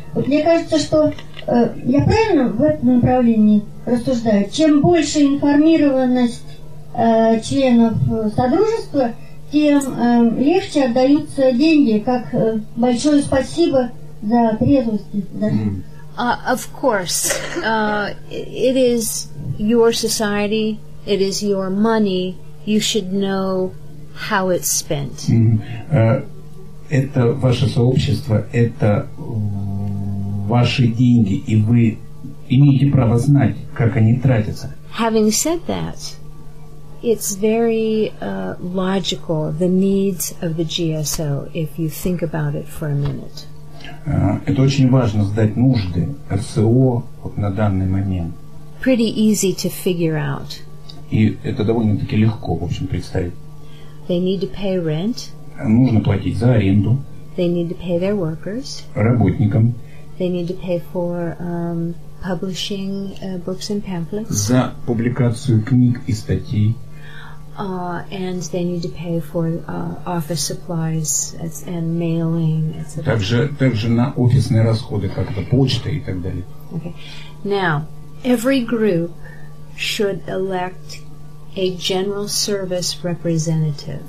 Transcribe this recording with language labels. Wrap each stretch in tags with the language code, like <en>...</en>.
<ru>Вот мне кажется, что я правильно в этом направлении рассуждаю? Чем больше информированность членов содружества, тем легче отдаются деньги, как большое спасибо за трезвость. Да?</ru> <en>Of course. It is your society, it is your money, you should know how it's spent.</en> <ru>Это ваше сообщество, это ваши деньги, и вы имеете право знать, как они тратятся.</ru> <en>Having said that, it's very logical, the needs of the GSO, if you think about it for a minute.</en> <ru>Это очень важно, знать нужды РСО вот на данный момент.</ru> <en>Pretty easy to figure out.</en> <ru>И это довольно-таки легко, в общем, представить.</ru> <en>They need to pay rent.</en> <ru>Нужно платить за аренду.</ru> <en>They need to pay their workers.</en> <ru>Работникам.</ru> <en>They need to pay for publishing books and pamphlets.</en> <ru>За публикацию книг и статей.</ru> <en>And they need to pay for office supplies and mailing.</en> <ru>Также на офисные расходы, как это почта и так далее.</ru> <en>Okay. Now, every group should elect a general service representative.</en>